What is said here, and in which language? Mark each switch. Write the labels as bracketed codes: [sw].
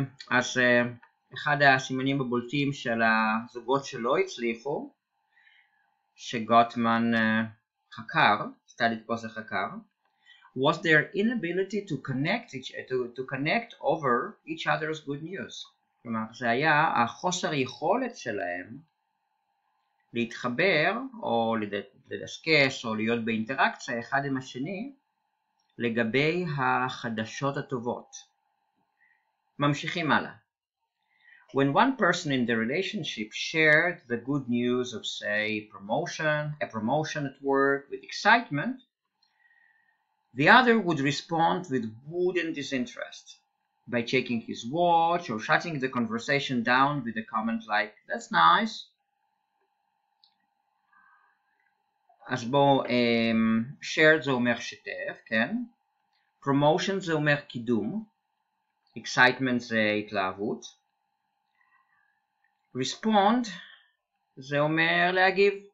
[he] אז אחד הסימנים הבולטים של הזוגות שלא הצליחו, שגוטמן חקר, סטדי פוס החקר, [en] was their inability to connect over each other's good news. [he] כלומר, זה היה החוסר יכולת שלהם להתחבר או לדסקס או להיות באינטראקציה אחד עם השני לגבי החדשות הטובות. ממשיכים הלאה. [en] When one person in the relationship shared the good news of, say, a promotion at work with excitement, the other would respond with wooden disinterest by checking his watch or shutting the conversation down with a comment like, "That's nice." [he] אז בואו, shared זה אומר שתף, כן? Promotion זה אומר קידום. Excitement זה התלהבות. Respond זה אומר להגיב.